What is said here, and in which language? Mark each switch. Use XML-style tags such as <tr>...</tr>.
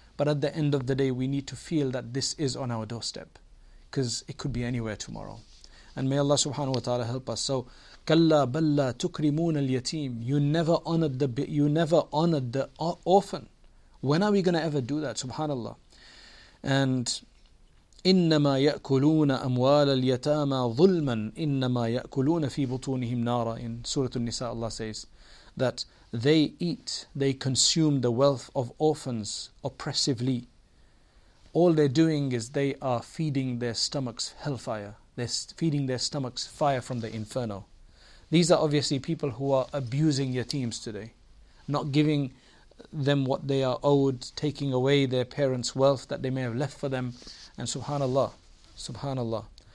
<en>But at the end of the day, we need to feel that this is on our doorstep, because it could be anywhere tomorrow. And may Allah subhanahu wa ta'ala help us. So,</en> <ar>kalla balla tukrimun al yatim.</ar> <en>You never honored the orphan. When are we going to ever do that? Subhanallah.</en> <ar>And إنما يأكلون أموال اليتامى ظلما إنما يأكلون في بطونهم نارا.</ar> <en>In Surah An-Nisa, Allah says that they eat, they consume the wealth of orphans oppressively. All they're doing is they are feeding their stomachs hellfire. They're feeding their stomachs fire from the inferno. These are obviously people who are abusing yatims today, not giving them what they are owed, taking away their parents' wealth that they may have left for them. And subhanAllah, subhanAllah.</en>